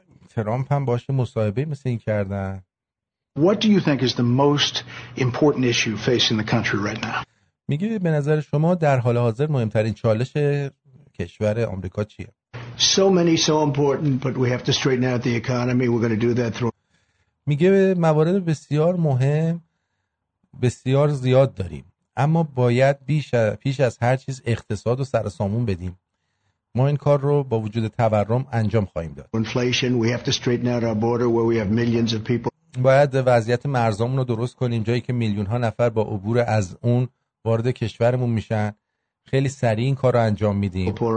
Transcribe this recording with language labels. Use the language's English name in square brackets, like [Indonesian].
[Persian] ترامپ هم باشه مصاحبه مثل این کردن. [English] What do you think is the most important issue facing the country right now? [Persian] میگه به نظر شما در حال حاضر مهمترین چالش کشور آمریکا چیه؟ [English] So many so important but we have to straighten out the economy. We're going to do that through. [Persian] میگه موارد بسیار مهم بسیار زیاد داریم، اما باید پیش از هر چیز اقتصاد رو سر سامون بدیم. ما این کار رو با وجود تورم انجام خواهیم داد. [English] Inflation, we have to straighten out our border where we have millions of people. [Persian] باید وضعیت مرزمون رو درست کنیم، جایی که میلیون ها نفر با عبور از اون وارد کشورمون میشن. خیلی سریع این کار رو انجام میدیم.